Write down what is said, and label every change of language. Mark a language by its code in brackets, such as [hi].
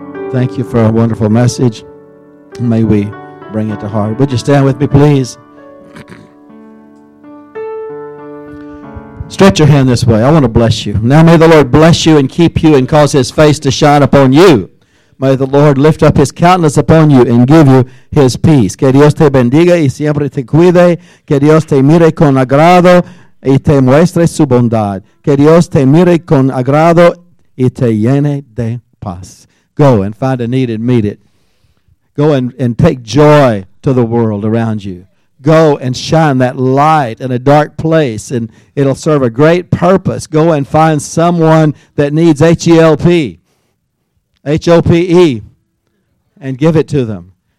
[en] Thank You for a wonderful message. May we bring it to heart. Would you stand with me, please? Stretch your hand this way. I want to bless you. Now may the Lord bless you and keep you and cause His face to shine upon you. May the Lord lift up His countenance upon you and give you His peace. [es] Que Dios te bendiga y siempre te cuide. Que Dios te mire con agrado y te muestre su bondad. Que Dios te mire con agrado y te llene de paz. [en] Go and find a need and meet it. Go and take joy to the world around you. Go and shine that light in a dark place, and it'll serve a great purpose. Go and find someone that needs H-E-L-P, H-O-P-E, and give it to them.